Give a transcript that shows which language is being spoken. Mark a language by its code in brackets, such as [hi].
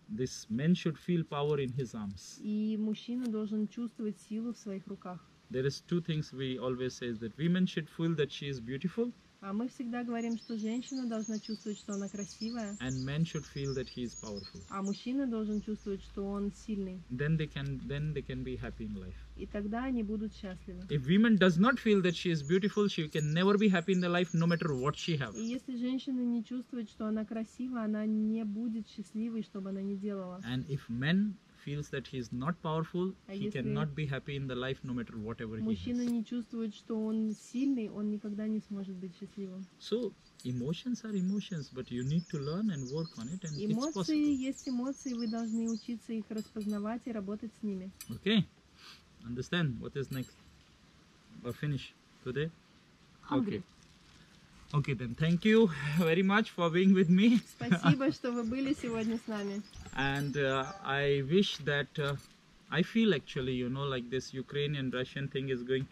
[en] This man should feel power in his arms. [ru] И мужчина должен чувствовать силу в своих руках. [en] There is two things we always say that women should feel that she is beautiful. [ru] А мы всегда говорим, что женщина должна чувствовать, что она красивая. [en] And man should feel that he is powerful. [ru] А мужчина должен чувствовать, что он сильный. [en] Then they can be happy in life. [ru] И тогда они будут счастливы. [en] If woman does not feel that she is beautiful, she can never be happy in the life, no matter what she have. [ru] И если женщина не чувствует, что она красива, она не будет счастливой, что бы она ни делала. [en] And if men feels that he is not powerful, he cannot be happy in the life, no matter whatever he has. [ru] Мужчина не чувствует, что он сильный, он никогда не сможет быть счастливым. [en] So emotions are emotions, but you need to learn and work on it, and it's possible. [ru] Эмоции есть эмоции, вы должны учиться их распознавать и работать с ними. [en] Okay, understand. What is next? We'll finish today. Okay. Okay then. Thank you very much for being with me. [ru] Спасибо, что вы были сегодня с нами. [en] And I wish that I feel actually, you know, like this Ukrainian Russian thing is going to